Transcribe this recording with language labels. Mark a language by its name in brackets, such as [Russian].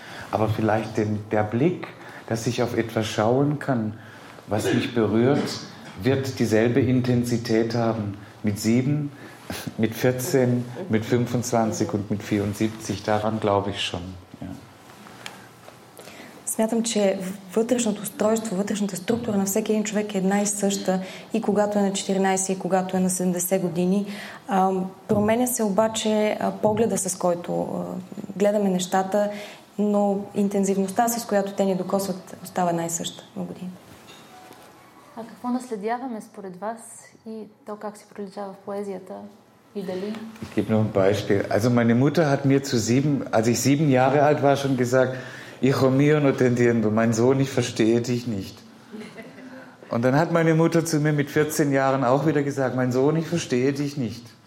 [German] Aber vielleicht der Blick, dass ich auf etwas schauen kann, was mich berührt, wird dieselbe Intensität haben mit 7, mit 14, mit 25 und mit 74, daran glaube ich schon. [Bulgarian] Смятам, че вътрешното устройство, вътрешната структура на всеки един човек е една и съща и когато е на 14, и когато е на 70 години. Променя се обаче погледа, с който гледаме нещата, но интензивността, с която те ни докосват, остава една и съща на години. А какво наследяваме според вас и то как се проличава в поезията? [German] Ich gebe noch ein Beispiel. Also meine Mutter hat mir als ich 7 Jahre alt war, schon gesagt, [Spanish] Hijo mio no te entiendo, [German] mein Sohn, ich verstehe dich nicht. Und dann hat meine Mutter zu mir mit 14 Jahren auch wieder gesagt, mein Sohn, ich verstehe dich nicht.